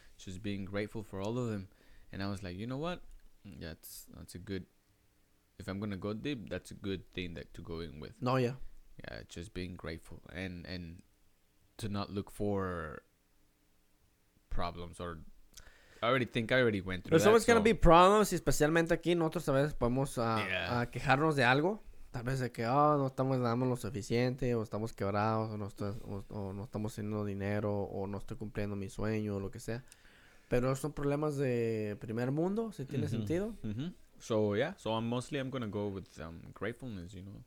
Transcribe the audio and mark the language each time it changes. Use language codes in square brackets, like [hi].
[en] Just being grateful for all of them. And I was like, you know what? Yeah, that's a good, if I'm going to go deep, that's a good thing that to go in with. No, yeah. Yeah, just being grateful and to not look for problems or, I already went through. [es] Pero [en] that. There's always going to be problems, [es] especialmente aquí. Nosotros a veces podemos a quejarnos de algo. Tal vez de que, oh, no estamos dando lo suficiente, o estamos quebrados, o no estamos teniendo dinero, o no estoy cumpliendo mi sueño, o lo que sea. Pero son problemas de primer mundo, si tiene sentido. [en] Mm-hmm. So, yeah. So, I'm going to go with gratefulness, you know.